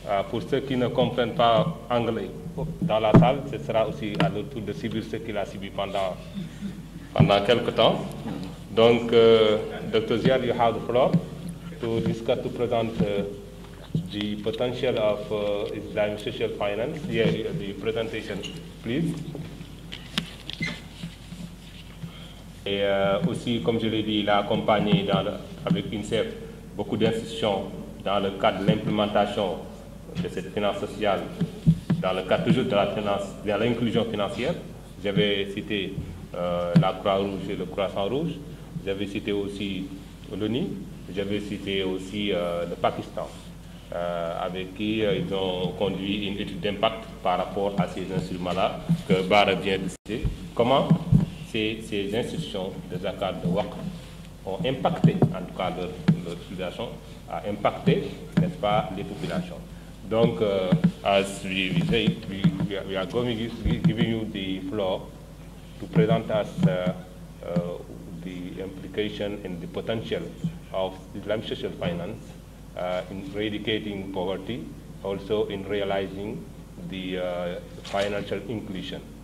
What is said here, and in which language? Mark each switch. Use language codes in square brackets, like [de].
[fr] Pour ceux qui ne comprennent pas anglais dans la salle, ce sera aussi à leur tour de subir ce qu'il a subi pendant quelque temps. [en] Donc, Dr Ziad, you have the floor to discuss, to present the potential of Islamic social finance. Yeah, the presentation, please. [fr] Et aussi, comme je l'ai dit, il a accompagné avec UNICEF beaucoup d'institutions dans le cadre de l'implémentation de cette finance sociale, dans le cadre toujours de la finance, de l'inclusion financière. J'avais cité la Croix-Rouge et le Croissant-Rouge. J'avais cité aussi l'ONU. J'avais cité aussi le Pakistan, avec qui ils ont conduit une étude d'impact par rapport à ces instruments-là que Barre vient de citer. Comment ces institutions de zakat, de WAQF, ont impacté, en tout cas leur utilisation a impacté, n'est-ce pas, les populations. [en] Donc, as we say, we are going to give you the floor to present us the implication and the potential of Islamic social finance in eradicating poverty, also in realizing the financial inclusion.